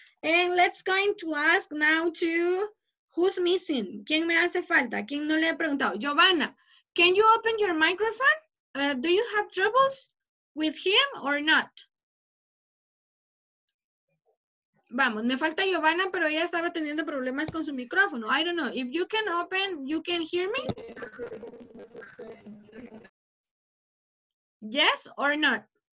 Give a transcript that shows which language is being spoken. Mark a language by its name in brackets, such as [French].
[English] And let's going to ask now to who's missing? [Spanish] ¿Quién me hace falta? ¿Quién no le ha preguntado? [English] Giovanna, can you open your microphone? Do you have troubles with him or not? [Spanish] Vamos, me falta Giovanna, pero ella estaba teniendo problemas con su micrófono. [English] I don't know. If you can open, you can hear me? Yes or not?